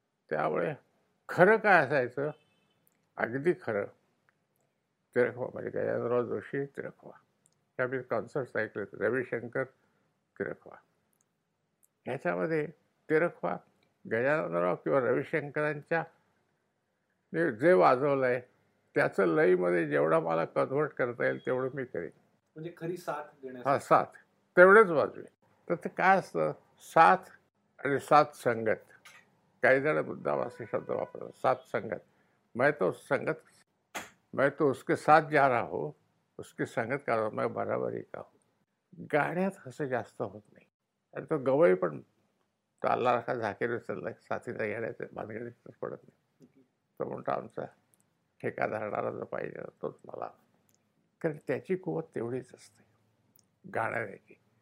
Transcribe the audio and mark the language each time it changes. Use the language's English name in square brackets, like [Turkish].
[Marathi] त्यामुळे खरं काय असायचं, अगदी खरं, तिरखवा म्हणजे गजानराव जोशी तिरखवा, ह्या मी कॉन्सर्ट्स ऐकले, रविशंकर तिरखवा, ह्याच्यामध्ये तिरखवा गजाननराव किंवा रविशंकरांच्या जे वाजवलं आहे त्याचं लईमध्ये जेवढा मला कन्व्हर्ट करता येईल तेवढं मी करेन. म्हणजे खरी साथ देणे, हा साथ तेवढेच वाजवेल. तर ते काय असतं, साथ आणि साथ संगत. काही जण मुद्दाम असे शब्द वापरतात, साथ संगत. [Hindi] मैं तो संगत, मैं तो उसके साथ जा रहा हूँ, उसकी संगत का मैं बराबरी का हूँ. [Marathi] गाण्यात असं जास्त होत नाही. आणि तो गवई पण चालला रखा झाकीर उचलला साथीला घेण्याचे भानगडीत पडत नाही. तो म्हणतो आमचा ठेका धरणारा जो पाहिजे तोच मला, कारण त्याची कुवत तेवढीच असते गाण्याची.